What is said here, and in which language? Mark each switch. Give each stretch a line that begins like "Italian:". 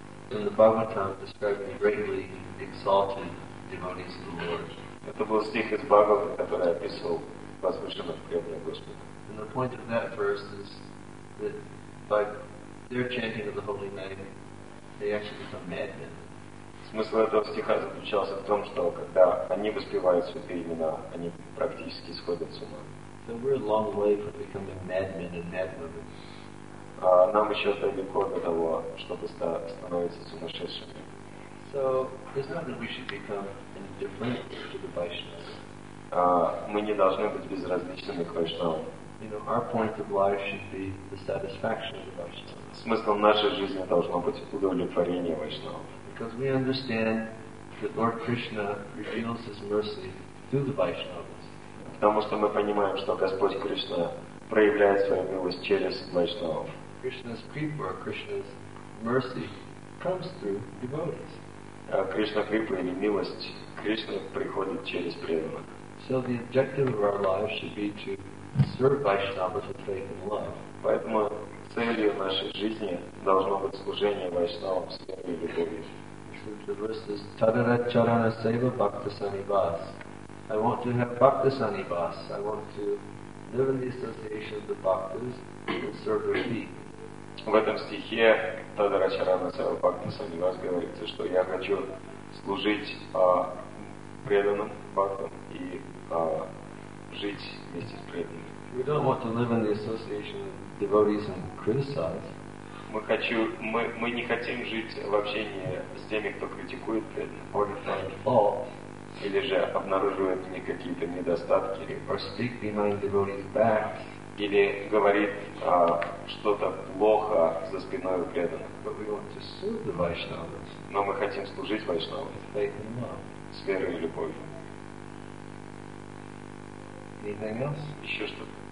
English: In the Bhagavatam describing greatly exalted devotees of the Lord.
Russian: Это был стих из Бхагавата, который описывал возвышенных преданных Господа.
English: And the point of that verse is that by their chanting of the holy name, they actually become madmen.
Russian: Смысл этого стиха заключался в том, что когда они воспевают святые имена, они практически сходят с ума.
English: So we're a long way from becoming madmen and madwomen.
Russian: Нам еще далеко до того, чтобы становиться сумасшедшими.
English: So, it's not that we should become indifferent to the Vaishnavas.
Russian: Мы не должны быть безразличными к Вайшнавам.
English: You know, our point of life should be the satisfaction of the Vaishnavas.
Russian: Смыслом нашей жизни должно быть удовлетворение Вайшнавам.
English: Because we understand that Lord Krishna reveals His mercy through the Vaishnavas.
Russian: Потому что мы понимаем, что Господь Кришна проявляет свою милость через Вайшнавов.
English: Krishna's kripa, or Krishna's mercy, comes through devotees.
Russian: Кришна крипа или милость Кришны приходит через преданных.
English: So the objective of our life should be to serve Vaishnavas with faith and love.
Russian: Поэтому целью нашей жизни должно быть служение Вайшнавам с верой и любовью.
English: The verse is
Sanskrit: Tadara Charana Seva Bhakta Sannivas.
English: I want to have Bhakta Sannivas. I want to live in the association of the Bhaktas and serve their feet.
Russian: В этом стихе
Sanskrit: Tadara Charana Seva Bhakta Sannivas
Russian: говорится, что я хочу служить преданным Бхактам и жить вместе с преданными.
English: We don't want to live in the association of devotees and criticize.
Russian: Мы не хотим жить в общении с теми, кто критикует преданных. Или же обнаруживает в них какие-то недостатки.
English: Or speak behind devotees' backs.
Russian: Или говорит что-то плохо за спиной у преданных.
English: But we want to serve the Vaishnavas.
Russian: Но мы хотим служить Вайшнавам.
English: With faith and love.
Russian: С верой и любовью.
English: Anything else?
Russian: Еще что-то?